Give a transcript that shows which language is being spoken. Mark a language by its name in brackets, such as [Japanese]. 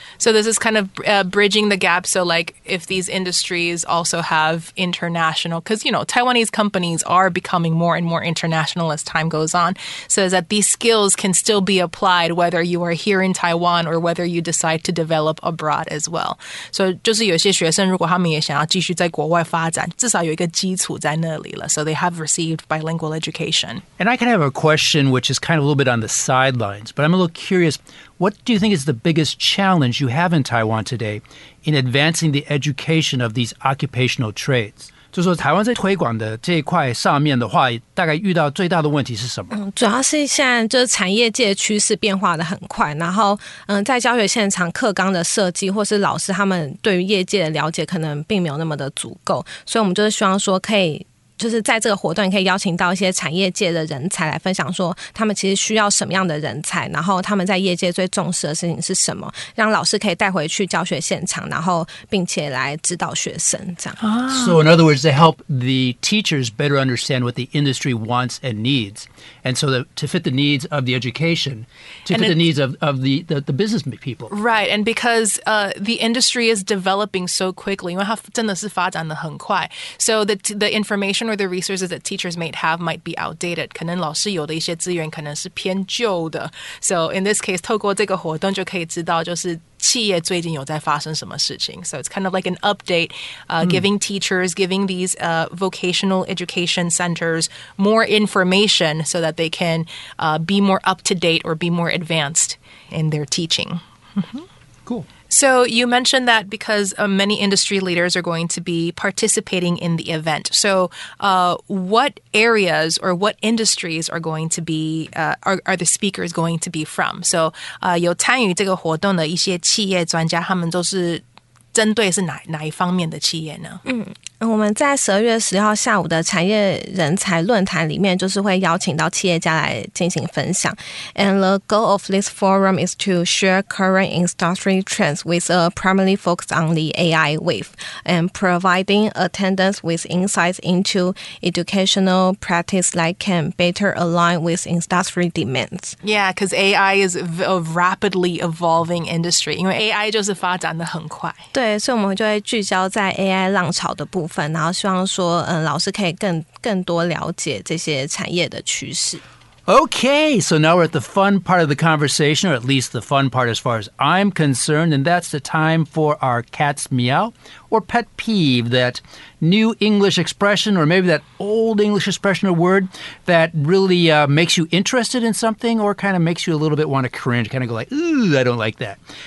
[English] So this is kind of bridging the gap. So like if these industries also have international, because, you know, Taiwanese companies are becoming more and more international as time goes on, so that these skills can still be applied whether you are here in Taiwan or whether you decide to develop abroad as well. [Chinese] So 就是有些学生如果他们也想要继续在国外发展，至少有一个基础在那里了。 [English] So they have received bilingual education. And I can have a question which is kind of a little bit on the sidelines, but I'm a little curious. What do you think is the biggest challenge you have in Taiwan today in advancing the education of these occupational trades? [Chinese] 就是说台湾在推广的这一块上面的话，大概遇到最大的问题是什么？主要是现在就是产业界的趋势变化的很快，然后在教学现场课纲的设计或是老师他们对于业界的了解可能并没有那么的足够，所以我们就是希望说可以就是在这个活动可以邀请到一些产业界的人才来分享说他们其实需要什么样的人才，然后他们在业界最重视的事情是什么，让老师可以带回去教学现场，然后并且来指导学生这样。 [English] So in other words, to help the teachers better understand what the industry wants and needs, and so that to fit the needs of the education, to fit the needs of the business people. Right, and because the industry is developing so quickly, [Chinese] 因为它真的是发展得很快， [English] so the information or the resources that teachers might have might be outdated. [Chinese] 可能老师有的一些资源可能是偏旧的。 [English] So in this case, [Chinese] 透过这个活动就可以知道就是企业最近有在发生什么事情。 [English] So it's kind of like an update, giving teachers, giving these vocational education centers more information so that they can be more up to date or be more advanced in their teaching. Cool. So you mentioned that because many industry leaders are going to be participating in the event. So what areas or what industries are going to be, are the speakers going to be from? [Chinese] So 有参与这个活动的一些企业专家，他们都是针对是 哪一方面的企业呢？我们在12月16号下午的产业人才论坛里面就是会邀请到企业家来进行分享。 [English] And the goal of this forum is to share current industry trends with a primary focus on the AI wave and providing attendants with insights into educational practice that can better align with industry demands. Yeah, because AI is a rapidly evolving industry. [Chinese] 因为 AI 就是发展得很快。对，所以我们就会聚焦在 AI 浪潮的部分。然后希望说，老师可以更多了解这些产业的趋势。 [English] Okay, so now we're at the fun part of the conversation, or at least the fun part as far as I'm concerned, and that's the time for our cat's meow, or pet peeve, that new English expression, or maybe that old English expression or word that really makes you interested in something, or kind of makes you a little bit want to cringe, kind of go like, ooh, I don't like that.